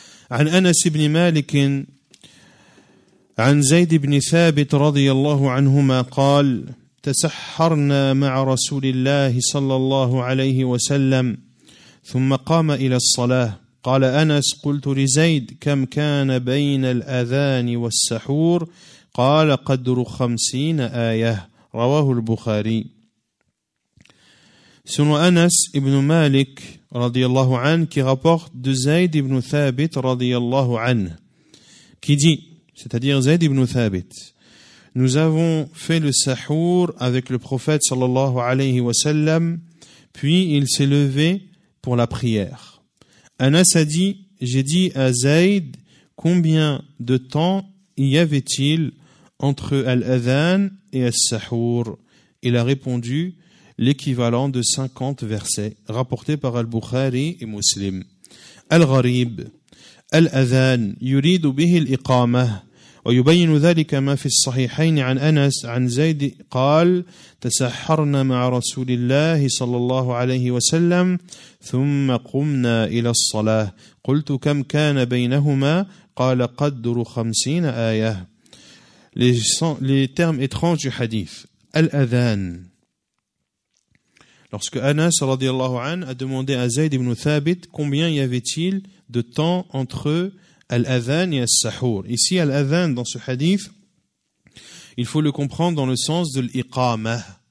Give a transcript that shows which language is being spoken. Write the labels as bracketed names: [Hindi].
[Arabic] عن أنس بن مالك عن زيد بن ثابت رضي الله عنهما قال تسحرنا مع رسول الله صلى الله عليه وسلم ثم قام إلى الصلاة. قال أنس قلت لزيد كم كان بين الأذان والسحور؟ قال قدر 50 آية. رواه البخاري. [French] سن أنس ابن مالك [Arabic] رضي الله عنه [French] qui rapporte de زيد ابن ثابت رضي الله عنه qui dit, c'est-à-dire زيد ابن ثابت, nous avons fait le sahour avec le prophète [Arabic] صلى الله عليه وسلم, [French] puis il s'est levé pour la prière. Anas a dit, j'ai dit à Zayd, combien de temps y avait-il entre Al-Adhan et Al-Sahour? Il a répondu, l'équivalent de 50 versets, rapporté par Al-Bukhari et Muslim. [Arabic] Al-Gharib, Al-Adhan, yuridu bihi l'iqamah. ويبين ذلك ما في الصحيحين عن أنس عن زيد قال تسحرنا مع رسول الله صلى الله عليه وسلم ثم قمنا إلى الصلاة قلت كم كان بينهما قال قدر 50 آية. [French] Les termes étranges du hadith. Al-Adhan. Lorsque Anas [Arabic] رضي الله عنه [French] a demandé à Zayd ibn Thabit combien y avait-il de temps entre eux Al-Adhan et Al-Sahour. Ici, Al-Adhan, dans ce hadith, il faut le comprendre dans le sens de l'Iqamah.